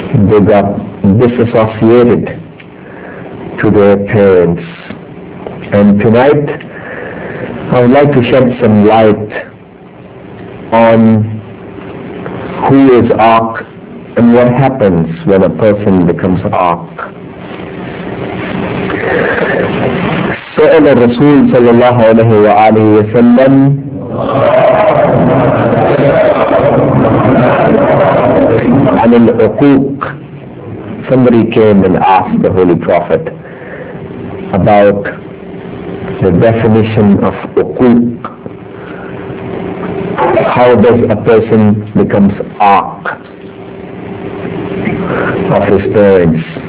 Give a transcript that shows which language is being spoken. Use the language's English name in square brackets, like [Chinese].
[English] They got disassociated to their parents. And tonight I would like to shed some light on who is arc and what happens when a person becomes arc. [Arabic] سأل الرسول صلى الله عليه وآله وسلم عن العقوق. [English] Somebody came and asked the Holy Prophet about the definition of uquq. How does a person becomes arq of his parents?